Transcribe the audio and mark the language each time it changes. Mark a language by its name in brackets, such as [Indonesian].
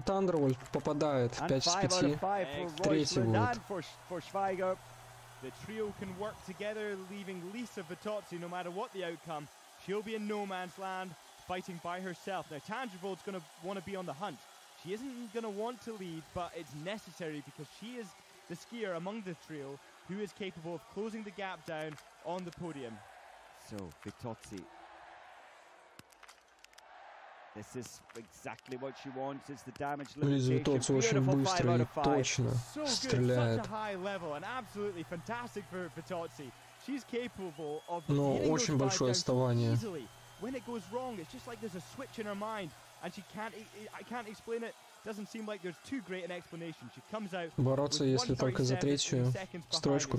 [Russian] Тандервольд попадает в 5 из 5. Третий будет. [English] For Schweiger. The trio can work together, leaving Lisa Vitozzi, no matter what the outcome. She'll be in no man's land, fighting by herself. Now, Tandrevold's going to want to be on the hunt. She isn't going to want to lead, but it's necessary because she is the skier among the trio who is capable of closing the gap down on the podium. So, Vitozzi. This is exactly what she wants. It's the damage limitation. Beautiful 5 out of 5. So good, such a high level, and absolutely fantastic for Vitozzi. She's capable of beating those guys down easily. When it goes wrong, it's just like there's a switch in her mind, and she can't. I can't explain it. Doesn't seem like there's too great an explanation. She comes out. [Russian] Бороться, если только за третью строчку.